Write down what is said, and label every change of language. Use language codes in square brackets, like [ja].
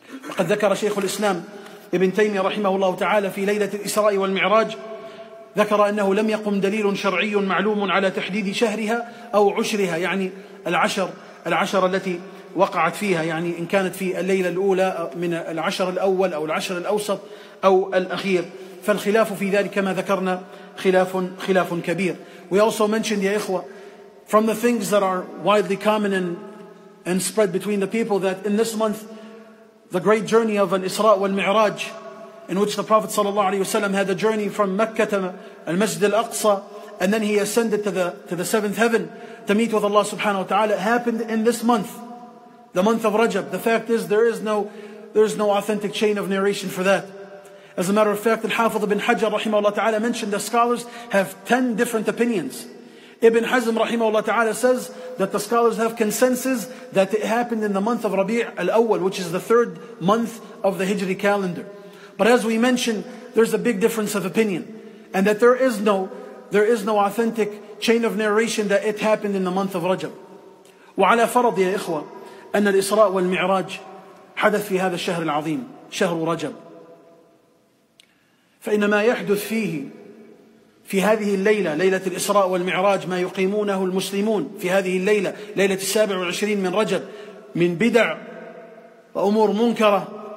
[ar] وقد ذكر شيخ الإسلام ابن تيمية رحمه الله تعالى في ليلة الإسراء والمعراج، ذكر أنه لم يقم دليل شرعي معلوم على تحديد شهرها أو عشرها، يعني العشر التي وقعت فيها، يعني إن كانت في الليلة الأولى من العشر الأول أو العشر الأوسط أو الأخير. فالخلاف في ذلك كما ذكرنا خلاف كبير. [en] We also mentioned, [ar] ya ikhwa, [en] from the things that are widely common and spread between the people, that in this month the great journey of an Isra wal Mi'raj, in which the Prophet ﷺ had a journey from Mecca to Al-Masjid Al-Aqsa, and then he ascended to the seventh heaven to meet with Allah [ar] subhanahu wa ta'ala, [en] happened in this month, the month of Rajab. The fact is, there is no authentic chain of narration for that. As a matter of fact, Al-Hafidh ibn Hajar [ar] rahimahullah ta'ala [en] mentioned that scholars have 10 different opinions. Ibn Hazm [ar] rahimahullah ta'ala [en] says that the scholars have consensus that it happened in the month of Rabi' al-Awwal, which is the third month of the Hijri calendar. But as we mentioned, there's a big difference of opinion, and that there is no authentic chain of narration that it happened in the month of Rajab. [ar] وعلى فرض يا إخوة أن الإسراء والمعراج حدث في هذا الشهر العظيم شهر رجب فإن ما يحدث فيه في هذه الليلة ليلة الإسراء والمعراج ما يقيمونه المسلمون في هذه الليلة ليلة 27 من رجب من بدع وأمور منكرة